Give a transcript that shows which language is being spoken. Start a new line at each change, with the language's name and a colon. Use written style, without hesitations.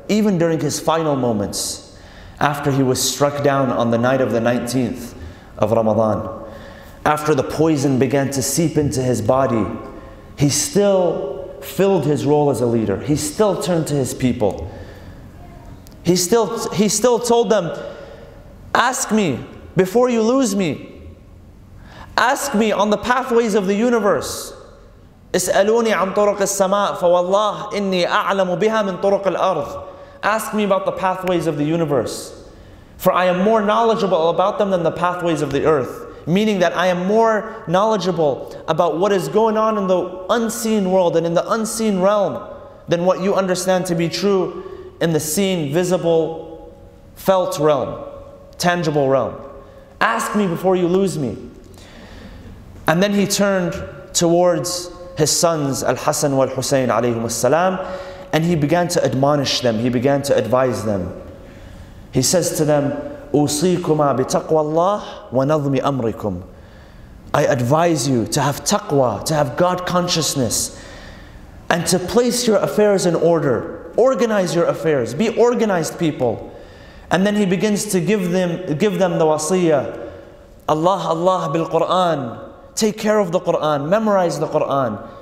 English: Even during his final moments, after he was struck down on the night of the 19th of Ramadan, after the poison began to seep into his body, he still filled his role as a leader. He still turned to his people. He still told them, ask me before you lose me. Ask me on the pathways of the universe.
Arabic: اسألوني عن طرق السماء فوالله إني أعلم بها من طرق الأرض.
English: Ask me about the pathways of the universe, for I am more knowledgeable about them than the pathways of the earth. Meaning that I am more knowledgeable about what is going on in the unseen world and in the unseen realm than what you understand to be true in the seen, visible, felt realm, tangible realm. Ask me before you lose me. And then he turned towards his sons, Al-Hasan wa Al-Husayn alayhim as-salam, and he began to admonish them, he began to advise them. He says to them,
Arabic: أُوصِيكُمَا بِتَقْوَى اللَّهِ وَنَظْمِ أَمْرِكُمْ.
English: I advise you to have taqwa, to have God consciousness, and to place your affairs in order. Organize your affairs, be organized people. And then he begins to give them the wasiyah.
Arabic: Allah, Allah bil Qur'an.
English: Take care of the Qur'an, memorize the Qur'an.